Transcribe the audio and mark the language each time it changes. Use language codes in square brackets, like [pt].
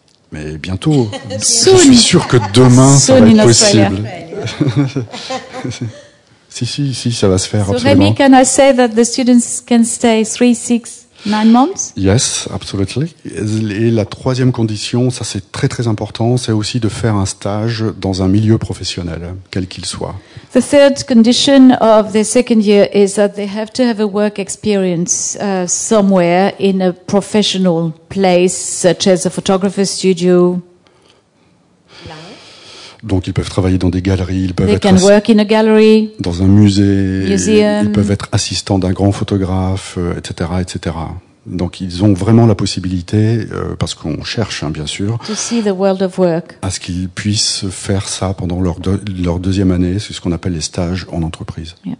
[fr] Mais bientôt, je suis sûr que demain, ça va être possible. si, ça va se faire, [en] so [fr] absolument. [en] So, Remy, can I say that the students can stay 3, 6, 9 months? Yes, absolutely. [fr] Et la troisième condition, ça c'est très très important, c'est aussi de faire un stage dans un milieu professionnel, quel qu'il soit. [en] The third condition of the second year is that they have to have a work experience somewhere in a professional place, such as a photographer studio. [fr] Donc ils peuvent travailler dans des galeries, ils peuvent [en] they [fr] être [en] in a gallery, [fr] dans un musée, [en] museum. [fr] Ils peuvent être assistants d'un grand photographe, etc., etc. Donc ils ont vraiment la possibilité, parce qu'on cherche hein, bien sûr, [en] to see the world of work. [fr] À ce qu'ils puissent faire ça pendant leur deuxième année, c'est ce qu'on appelle les stages en entreprise.